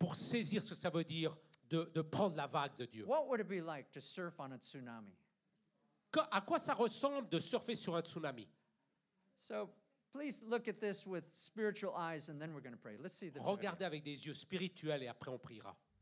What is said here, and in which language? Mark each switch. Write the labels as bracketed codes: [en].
[fr] Pour saisir ce que ça veut dire de prendre la vague de Dieu. [en] What would it be like to surf on a tsunami? [fr] À quoi ça ressemble de surfer sur un tsunami? [en] So, please look at this with spiritual eyes and then we're going to pray. Let's see the [fr] Regardez [en] video. [fr] Avec des yeux spirituels et après on priera.